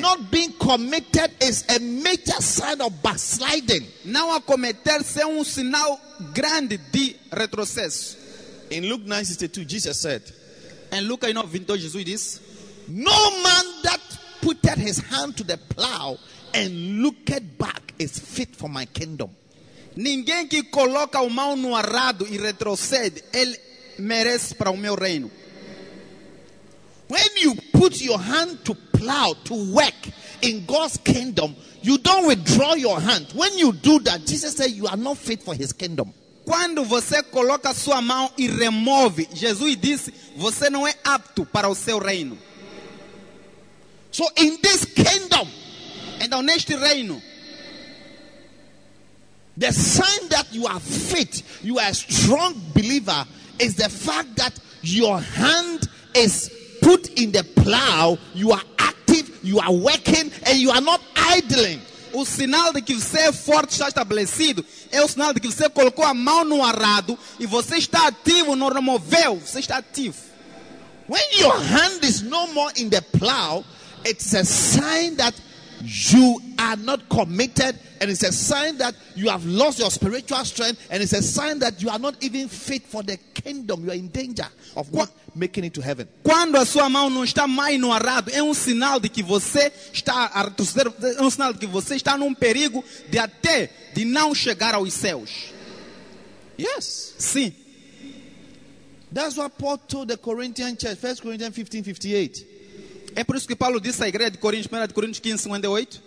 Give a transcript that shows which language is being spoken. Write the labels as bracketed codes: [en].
[en] Not being committed is a major sign of backsliding. [pt] Não acometer-se é sinal grande de retrocesso. [en] In Luke 9:62, Jesus said. [pt] Em Lucas 9:62, Jesus disse. [en] No man that putteth his hand to the plow and looketh back is fit for my kingdom. [pt] Ninguém que coloca a mão no arado e retrocede, ele merece para o meu reino. [en] When you put your hand to plow, to work in God's kingdom, you don't withdraw your hand. When you do that, Jesus said you are not fit for his kingdom. [pt] Quando você coloca sua mão e remove, Jesus disse, você não é apto para o seu reino. [en] So in this kingdom, [pt] então neste reino, [en] the sign that you are fit, you are a strong believer, is the fact that your hand is put in the plow, you are active, you are working, and you are not idling. [pt] O sinal de que você é forte está estabelecido é o sinal de que você colocou a mão no arado e você está ativo no removeu. Você está ativo. [en] When your hand is no more in the plow, it's a sign that you are not committed, and it's a sign that you have lost your spiritual strength, and it's a sign that you are not even fit for the kingdom. You are in danger of not making it to heaven. [pt] Quando a sua mão não está mais no arado, é um sinal de que você está a retroceder, é um sinal de que você está num perigo de até de não chegar aos céus. [en] Yes. [pt] Sim. [en] That's what Paul told the Corinthian church, 1 Corinthians 15:58. [pt] É por isso que Paulo disse à igreja de Coríntios, 1 Coríntios 15:58.